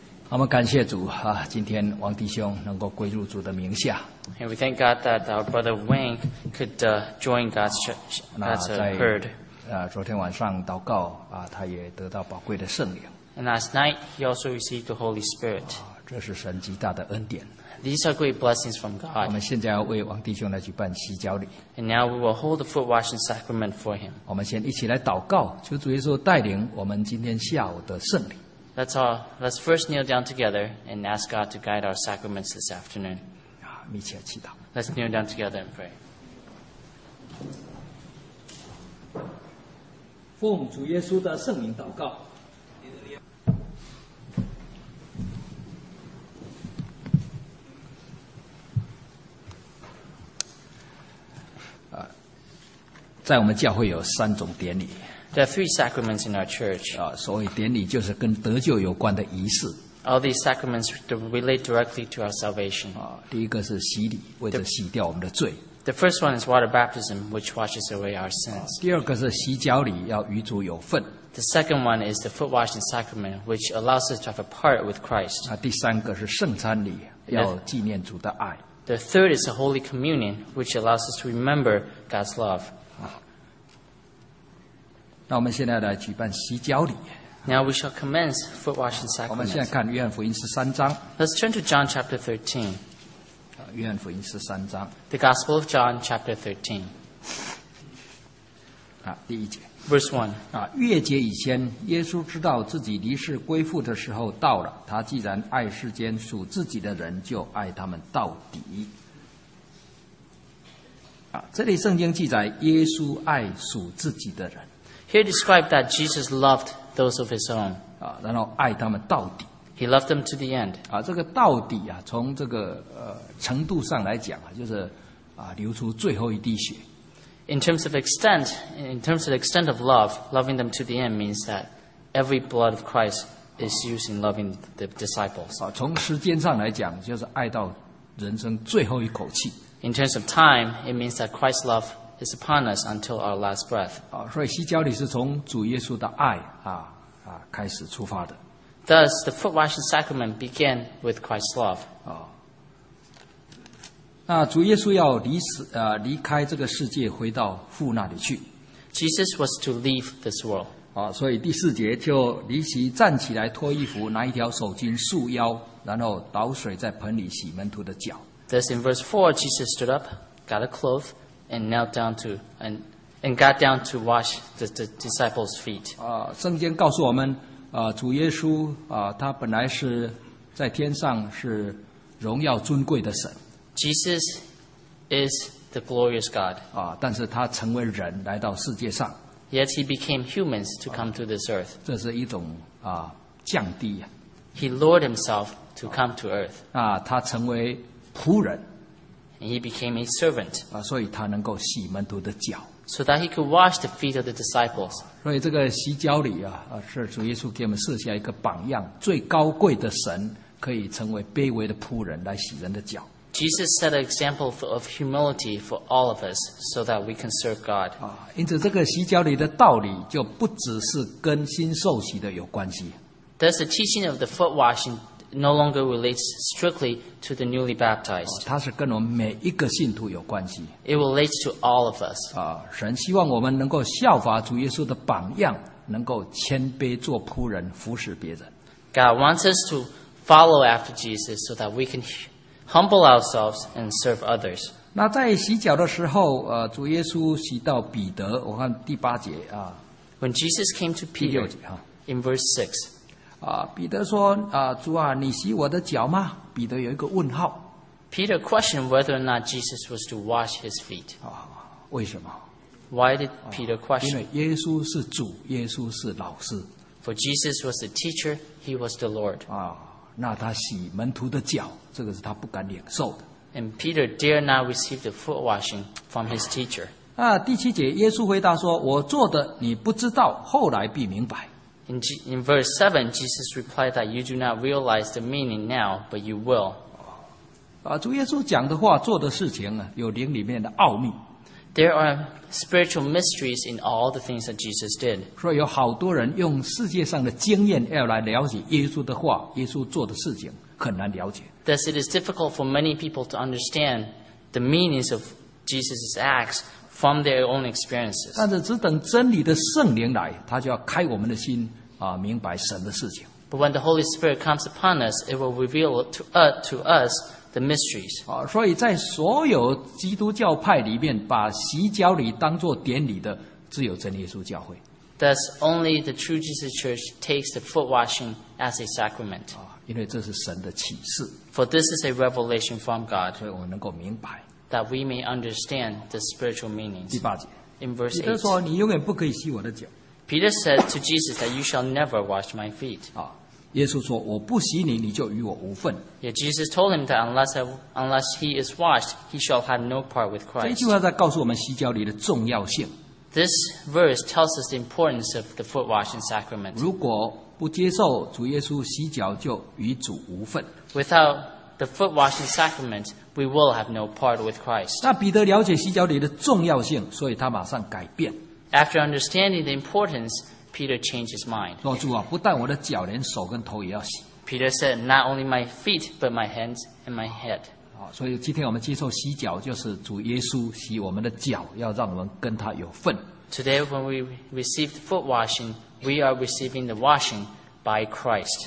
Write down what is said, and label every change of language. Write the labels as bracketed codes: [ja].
[zh] 我们感谢主、啊、今天王弟兄能够归入主的名下。 [en] And we thank God that our brother Wayne could、join God's herd. [zh] 昨天晚上祷告、啊、他也得到宝贵的圣灵。 [en] And last night, he also received the Holy Spirit.、啊、 [zh] 这是神极大的恩典。 [en] These are great blessings from God. [zh] 我们现在要为王弟兄来举办洗脚礼。 [en] And now we will hold the foot washing sacrament for him. [zh] 我们先一起来祷告，求主耶稣带领我们今天下午的圣灵。 [en] That's all. Let's first kneel down together and ask God to guide our sacraments this afternoon. [zh] 密切祈祷。 [en] Let's kneel down together and pray. [zh] 奉主耶稣的圣名祷告。在我们教会有三种典礼。 [en] There are three sacraments in our church. [zh] 所谓典礼就是跟得救有关的仪式。 [en] All these sacraments relate directly to our salvation. [zh] 第一个是洗礼，为着洗掉我们的罪。 [en] The first one is water baptism, which washes away our sins. [zh] 第二个是洗脚礼，要与主有份。 [en] The second one is the foot washing sacrament, which allows us to have a part with Christ. [zh] 第三个是圣餐礼，要纪念主的爱。 [en] The third is the holy communion, which allows us to remember God's love. [zh] 那我们现在来举办洗脚礼。 [en] Now we shall commence foot washing sacrament. [zh] 我们现在看约翰福音十三章。 [en] Let's turn to John chapter 13. [zh] 约翰福音十三章。 [en] The Gospel of John chapter 13. [zh] 第一节。 [en] Verse 1. [zh] 月节以前，耶稣知道自己离世归父的时候到了。他既然爱世间属自己的人，就爱他们到底。这里圣经记载耶稣爱属自己的人。 [en] Here described that Jesus loved those of his own. [zh] 然后爱他们到底。 [en] He loved them to the end. [zh] 这个到底啊，从这个程度上来讲啊，就是流出最后一滴血。 [en] In terms of extent of love, loving them to the end means that every blood of Christ is used in loving the disciples. 从时间上来讲，就是爱到人生最后一口气。 In terms of time, it means that Christ's love. It's upon us until our last breath. [zh] 所以洗脚礼是从主耶稣的爱开始出发的。 [en] Thus, the foot washing sacrament began with Christ's love. [zh] 那主耶稣要离开这个世界，回到父那里去。 [en] Jesus was to leave this world. [zh] 所以第四节就离席站起来脱衣服，拿一条手巾束腰，然后倒水在盆里洗门徒的脚。 [en] Thus in verse 4, Jesus stood up, got a cloth, and knelt down to and got down to wash the disciples' feet. [zh] 圣经告诉我们，主耶稣他本来是在天上是荣耀尊贵的神。 [en] Jesus is the glorious God. [zh] 但是他成为人来到世界上。 [en] Yet he became humans to come to this earth. [zh] 这是一种降低呀。 [en] He lowered himself to come to earth. [zh] 他成为仆人。 [en] And he became a servant. [zh] 所以他能够洗门徒的脚。 [en] So that he could wash the feet of the disciples. [zh] 所以这个洗脚礼是主耶稣给我们设下一个榜样，最高贵的神可以成为卑微的仆人来洗人的脚。 [en] Jesus set an example of humility for all of us so that we can serve God. [zh] 因此这个洗脚礼的道理就不只是跟新受洗的有关系。 [en] Thus the teaching of the foot washing no longer relates strictly to the newly baptized. [zh] 它是跟我们每一个信徒有关系。 [en] It relates to all of us. [zh] 神希望我们能够效法主耶稣的榜样，能够谦卑做仆人服侍别人。 [en] God wants us to follow after Jesus so that we can humble ourselves and serve others. [zh] 那在洗脚的时候，主耶稣洗到彼得，我看第八节啊。 [en] When Jesus came to Peter, [zh] 第六节啊。 [en] In verse 6. [zh] 彼得说，主啊，你洗我的脚吗？彼得有一个问号。 [en] Peter questioned whether or not Jesus was to wash his feet. [zh] 为什么？ [en] Why did Peter question? [zh] 因为耶稣是主，耶稣是老师。 [en] For Jesus was the teacher, he was the Lord. [zh] 那他洗门徒的脚，这个是他不敢领受的。 [en] And Peter dare not receive the foot washing from his teacher. [zh] 第七节，耶稣回答说：“我做的你不知道，后来必明白。 [en] ”In verse 7, Jesus replied that you do not realize the meaning now, but you will. [zh] 主耶稣讲的话，做的事情有灵里面的奥秘。 [en] There are spiritual mysteries in all the things that Jesus did. [zh] 所以有好多人用世界上的经验要来了解耶稣的话，耶稣做的事情很难了解。 [en] Thus, it is difficult for many people to understand the meanings of Jesus' acts from their own experiences. [zh] 但是只等真理的圣灵来，他就要开我们的心明白神的事情。 [en] But when the Holy Spirit comes upon us, it will reveal to us the mysteries. [zh] 所以在所有基督教派里面，把洗脚礼当作典礼的只有真耶稣教会。 [en] Thus, only the true Jesus Church takes the foot washing as a sacrament. [zh] 因为这是神的启示。 [en] For this is a revelation from God. [zh] 所以我们能够明白。 [en] That we may understand the spiritual meanings. [zh] 第八节。 [en] In verse 8. [zh] 彼得说，你永远不可以洗我的脚。 [en] Peter said to Jesus that you shall never wash my feet. [zh] 耶稣说，我不洗你，你就与我无份。 [en] Yet Jesus told him that unless he is washed, he shall have no part with Christ. [zh] 这句话在告诉我们洗脚礼的重要性。 [en] This verse tells us the importance of the foot washing sacrament. [zh] 如果不接受主耶稣洗脚，就与主无份。 [en] Without the foot washing sacrament, we will have no part with Christ. [zh] 那彼得了解洗脚礼的重要性，所以他马上改变。 [en] After understanding the importance, Peter changed his mind. [zh] 说主啊，不但我的脚，连手跟头也要洗。 [en] Peter said, not only my feet, but my hands and my head. [zh] 所以今天我们接受洗脚，就是主耶稣洗我们的脚，要让我们跟他有份。 [en] Today, when we receive the foot washing, we are receiving the washing by Christ.